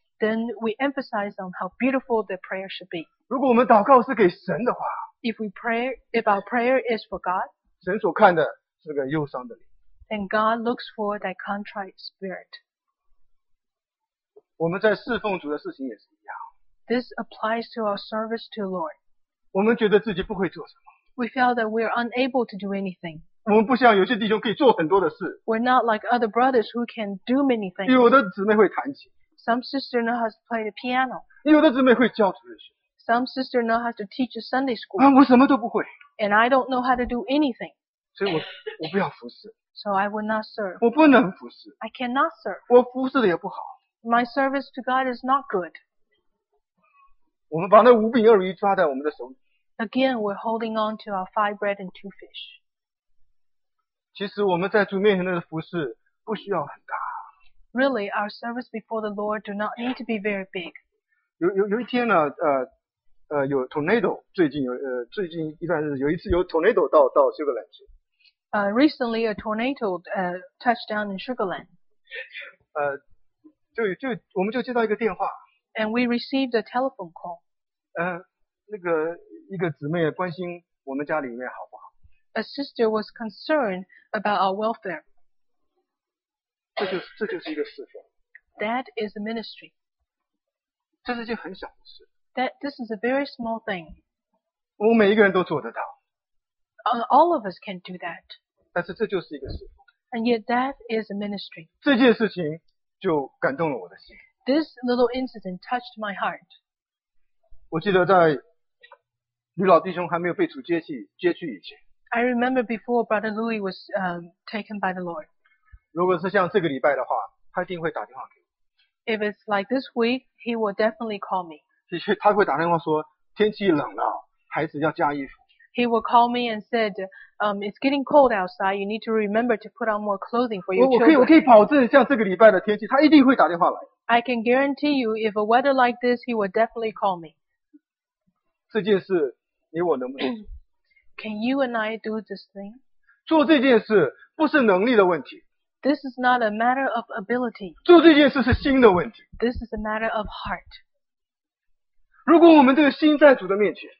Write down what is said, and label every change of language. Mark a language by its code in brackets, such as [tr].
[en] Then we emphasize on how beautiful the prayer should be. [zh] 如果我们祷告是给神的话 [en] ，If our prayer is for God, [zh] 神所看的是个忧伤的脸。 [en] Then God looks for that contrite spirit. [zh] 我们在侍奉主的事情也是一样。 [en] This applies to our service to the Lord. [zh] 我们觉得自己不会做什么。 [en] We feel that we are unable to do anything. [zh] 我们不像有些弟兄可以做很多的事。 [en] We're not like other brothers who can do many things. [zh] 有的姊妹会弹琴。 [en] Some sister know how to play the piano. [zh] 有的姊妹会教主日学。 [en] Some sister know how to teach a Sunday school. [zh] 啊，我什么都不会。 [en] And I don't know how to do anything. [zh] 所以我不要服侍。 [en] So I will not serve. [zh] 我不能服侍。 [en] I cannot serve. [zh] 我服侍的也不好。 [en] My service to God is not good. [zh] 我们把那五饼二鱼抓在我们的手里。 [en] Again, we're holding on to our 5 bread and 2 fish. [zh] 其实我们在主面前的服事不需要很大。 [en] Really, our service before the Lord do not need to be very big. [zh] 有一天呢，有 tornado， 最近一段日子有一次有 tornado 到 Sugar Land 去。 [en] Recently, a tornado touched down in Sugar Land. [zh] 就我们就接到一个电话。 [en] And we received a telephone call. [zh] 那个一个姊妹关心我们家里面好不好 [en] ？A sister was concerned about our welfare. [zh] 这就是一个侍奉。 [en] That is a ministry. [zh] 这是件很小的事。 [en] This is a very small thing. [zh] 我每一个人都做得到。 [en] All of us can do that. [zh] 但是这就是一个侍奉。 [en] And yet that is a ministry. [zh] 这件事情就感动了我的心。 [en] This little incident touched my heart. [zh] 我记得在吕老弟兄还没有被主接去以前。 [en] I remember before Brother Louis was taken by the Lord. [zh] 如果是像这个礼拜的话，他一定会打电话给我。 [en] If it's like this week, he will definitely call me. [zh] 的确，他会打电话说天气冷了，孩子要加衣服。 [en] He will call me and said, it's getting cold outside. You need to remember to put on more clothing for your children. [zh] 我可以保证，像这个礼拜的天气，他一定会打电话来。 [en] I can guarantee you, if a weather like this, he will definitely call me. [zh] 这件事你我能不能做 [en] Can you and I do this thing? [zh] 做这件事不是能力的问题。 [en] This is not a matter of ability. [zh] 做这件事是心的问题。 [en] This is a matter of heart. [zh] 如果我们这个心在主的面前